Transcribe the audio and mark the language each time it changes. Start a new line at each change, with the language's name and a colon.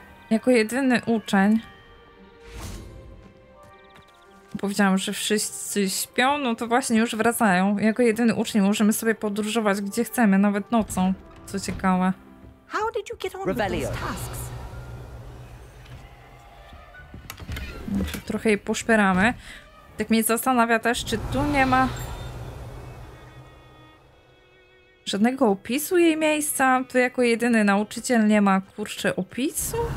Polish: Jako jedyny uczeń. Powiedziałam, że wszyscy śpią, no to właśnie już wracają. Jako jedyny uczeń możemy sobie podróżować gdzie chcemy, nawet nocą. Co ciekawe.
English: How did you get on with those tasks?
Polish: No, trochę jej poszperamy. Tak mnie zastanawia też, czy tu nie ma żadnego opisu jej miejsca. Tu jako jedyny nauczyciel nie ma, kurczę, opisu?